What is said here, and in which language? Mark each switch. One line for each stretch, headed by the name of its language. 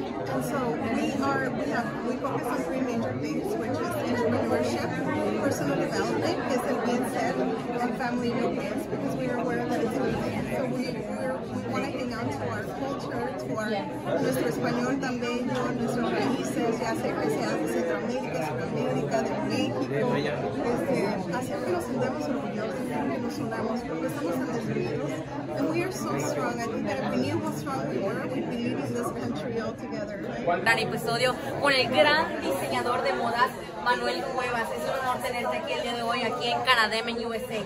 English: And so we focus on three major things, which is entrepreneurship, personal development, as it being said, and family nucleus, because we are aware that it's important. So we want to hang on to our
Spanish: culture, to our nuestro español también, nuestro raíces, ya sea que sea de Centroamérica, Sudamérica, de México, hacer que nos sintamos orgullosos, que nos unamos, porque estamos en los libros.
English: And we are so strong. I think that if we knew how strong we were, we'd be leaving this country all together.
Spanish: Gran episodio con el gran diseñador de modas, Manuel Cuevas. Es un honor tenerte aquí el día de hoy, aquí en Canadem, en USA.